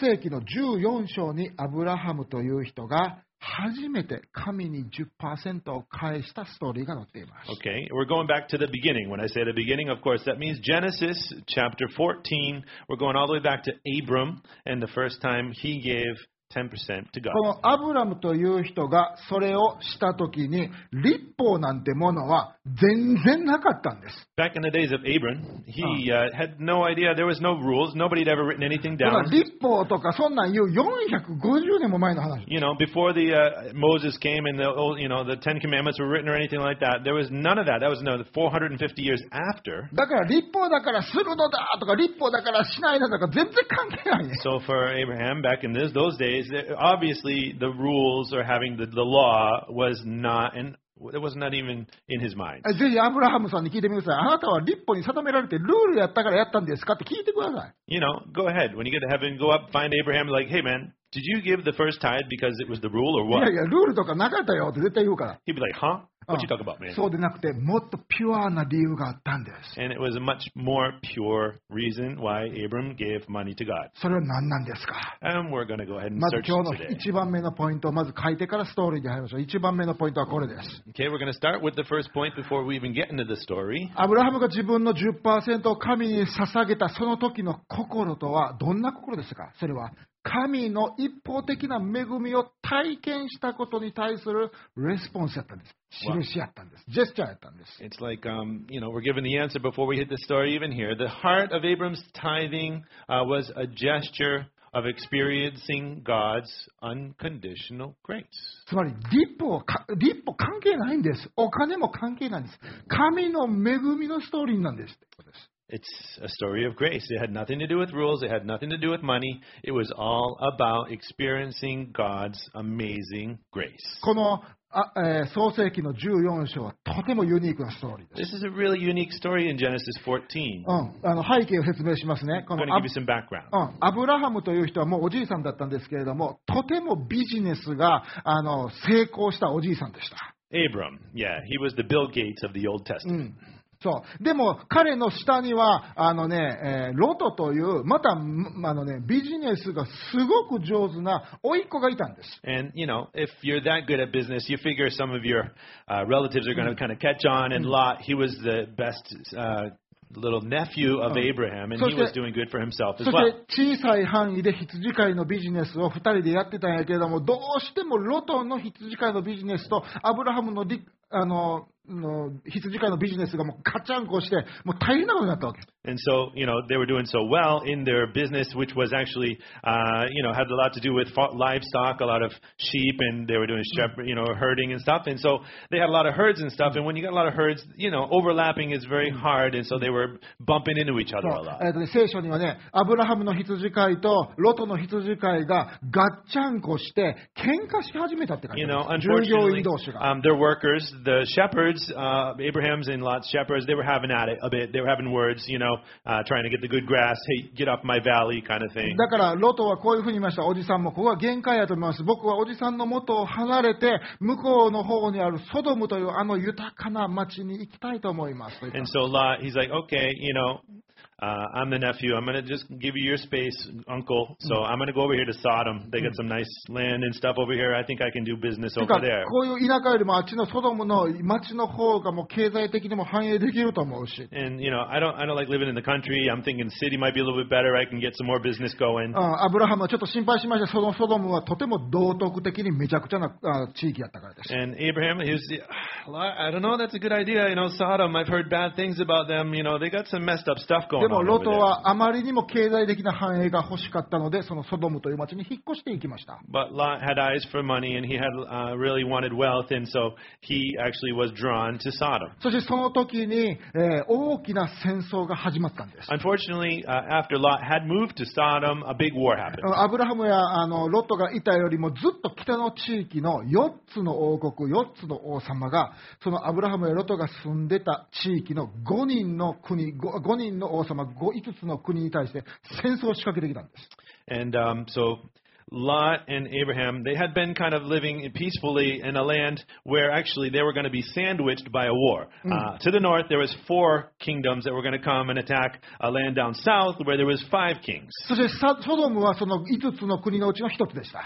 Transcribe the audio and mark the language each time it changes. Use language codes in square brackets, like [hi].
[ja] の14章にアブラハムという人が初めて神に 10% を返したストーリーが載っています。 [en] Okay, we're going back to the beginning. When I say the beginning, of course, that means Genesis chapter 14. We're going all the way back to Abram and the first time he gave 10% to God. [ja] このアブラムという人がそれをしたときに立法なんてものは全然なかったんです。 [en] Back in the days of Abram, he had no idea. There was no rules. Nobody had ever written anything down. [ja] 立法とかそんなん言う450年も前の話。 [en] You know, before the, Moses came and the, old, you know, the Ten Commandments were written or anything like that, there was none of that. That was no, 450 years after. [ja] だから立法だからするのだとか立法だからしないのだとか全然関係ない。 [en] So for Abraham, back in this, those days, obviously the rules or having the law was not anIt was not even in his mind. [ja] ぜひアブラハムさんに聞いてみてください。あなたは立法に定められてルールやったからやったんですかって聞いてください。 [en] You know, go ahead. When you get to heaven, go up, find Abraham, like, hey man, did you give the first tithe because it was the rule or what? [ja] いやいや、ルールとかなかったよって絶対言うから。 [en] He'd be like, huh? What you talk about, man? [ja] そうでなくて、もっとピュアな理由があったんです。 [en] And it was a much more pure reason why Abram gave money to God. [ja] それは何なんですか？ [en] And we're going to go ahead and search today. [ja] まず今日の一番目のポイントをまず書いてからストーリーに入りましょう。一番目のポイントはこれです。 [en] Okay, we're going to start with the first point before we even get into the story. [ja] アブラハムが自分の 10% を神に捧げたその時の心とはどんな心ですか？それは神の一方的な恵みを体験したことに対するレスポンスやったんです。印やったんです。ジェスチャーやったんです。 [en] It's like, you know, we're given the answer before we hit the story even here. The heart of Abram's tithing, was a gesture of experiencing God's unconditional grace. [ja] つまり立法関係ないんです。お金も関係ないんです。神の恵みのストーリーなんです。 [en] It's a story of grace. It had nothing to do with rules. It had nothing to do with money. It was all about experiencing God's amazing grace. [ja] この創世記の14章はとてもユニークなストーリーです。 [en] This is a really unique story in Genesis 14. [ja] あの背景を説明しますね。 [en] I'm going to give you some background. [ja] アブラハムという人はもうおじいさんだったんですけれども、とてもビジネスが成功したおじいさんでした。 [en] Abram, yeah, he was the Bill Gates of the Old Testament. [ja] そう。でも彼の下にはロトというまたビジネスがすごく上手な甥っ子がいたんです。 [en] And you know, if you're that good at business, you figure some of your, relatives are going to kind of catch on. And Lot, he was the best, little nephew of Abraham, and he was doing good for himself as well. [ja] そして小さい範囲で羊飼いのビジネスを二人でやってたんやけれども、どうしてもロトの羊飼いのビジネスとアブラハムの羊飼いのビジネスがもうカチャンコしてもう大変なことになったわけ。 [en] And so, you know, they were doing so well in their business, which was actually, you know, had a lot to do with livestock, a lot of sheep, and they were doing shepherd, you know, herding and stuff. And so they had a lot of herds and stuff. And when you got a lot of herds, you know, overlapping is very hard. And so they were bumping into each other a lot. [ja] 聖書にはね、アブラハムの羊飼いとロトの羊飼いがガッチャンコして喧嘩し始めたって感じ。 [en] You know, unfortunately, their workers, the shepherds,Abraham's and Lot's shepherds, they were having at it a bit. They were having words, you know, trying to get the good grass. Hey, get off my valley, kind of thing. [ja] だからロトはこういうふうに言いました。おじさんもここは限界やと思います。僕はおじさんの元を離れて向こうの方にあるソドムというあの豊かな町に行きたいと思います。 [en] And so Lot, he's like, okay, you know, I'm the nephew. I'm going to just give you your space, uncle. So I'm going to go over here to Sodom. They got some nice land and stuff over here. I think I can do business over there. [ja] こういう田舎よりもあっちのソドムの町の方がもう経済的にも繁栄できると思うし。 [en] And you know, I don't like living in the country. I'm thinking city might be a little bit better. I can get some more business going. [ja] アブラハムはちょっと心配しました。そのソドムはとても道徳的にめちゃくちゃな地域やったからです。 [en] And Abraham, he was, I don't know. That's a good idea. You know, Sodom. I've heard bad things about them. You know, they got some messed up stuff going. [ja] でもロトはあまりにも経済的な繁栄が欲しかったのでそのソドムという町に引っ越していきました。 [en] But Lot had eyes for money and he had, really wanted wealth and so he actually was drawn to Sodom. [ja] そしてその時に、大きな戦争が始まったんです。 [en] Unfortunately, after Lot had moved to Sodom, a big war happened. [ja] アブラハムやロトがいたよりもずっと北の地域の4つの王国、4つの王様がそのアブラハムやロトが住んでた地域の5人の国、5人の王様5つの国に対して戦争を仕掛けてきたんです。 [en] And, so, Lot and Abraham, they had been kind of living peacefully in a land where actually they were going to be sandwiched by a war. To the north, there was four kingdoms that were going to come and attack a land down south where there was five kings. [ja] そしてソドムはその5つの国のうちの1つでした。